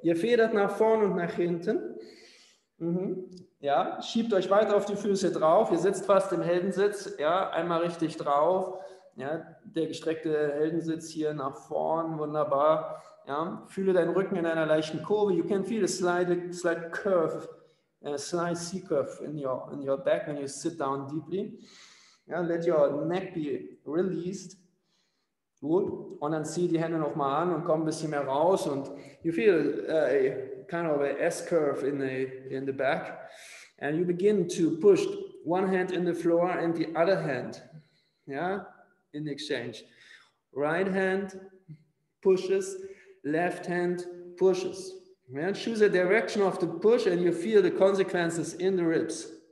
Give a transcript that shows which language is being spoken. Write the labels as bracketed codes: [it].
[de] Ihr federt nach vorne und nach hinten. Mhm. Ja. Schiebt euch weiter auf die Füße drauf. Ihr sitzt fast im Heldensitz. Ja. Einmal richtig drauf. Ja. Der gestreckte Heldensitz hier nach vorn. Wunderbar. Ja, fühle deinen Rücken in einer leichten Kurve. [en] You can feel a slight curve, a slight C curve in your back when you sit down deeply. Ja, let your neck be released. Gut. [de] Und dann zieh die Hände nochmal an und komm ein bisschen mehr raus. [en] Und you feel a kind of a S curve in the back. And you begin to push one hand in the floor and the other hand. Ja, in exchange. Right hand pushes. Left hand pushes. Yeah? Choose a direction of the push and you feel the consequences in the ribs.